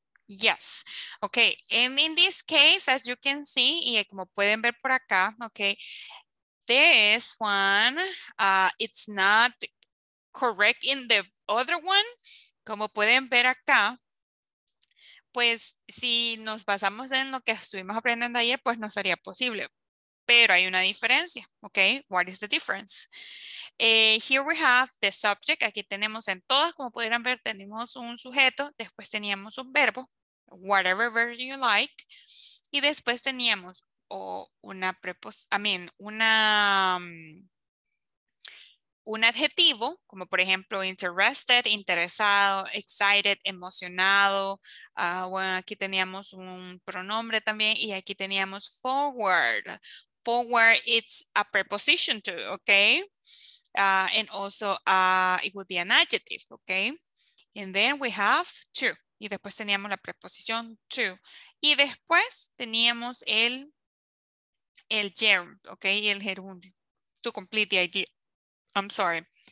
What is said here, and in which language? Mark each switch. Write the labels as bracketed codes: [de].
[en] Yes, okay, and in this case, as you can see, [es] y como pueden ver por acá, [en] okay, this one, it's not correct in the other one. [es] Como pueden ver acá, pues si nos basamos en lo que estuvimos aprendiendo ayer, pues no sería posible. Pero hay una diferencia, okay? What is the difference? Here we have the subject. Aquí tenemos en todas, como pudieran ver, tenemos un sujeto, después teníamos un verbo, [en] whatever version you like, [es] y después teníamos un adjetivo, como por ejemplo interested, interesado, excited, emocionado. Bueno, aquí teníamos un pronombre también y aquí teníamos forward. [en] Forward, it's a preposition to, okay? And also, it would be an adjective, okay? And then we have to. [es] Y después teníamos la preposición to. Y después teníamos el gerund, okay? Y el gerundio. [en] To complete the idea. I'm sorry.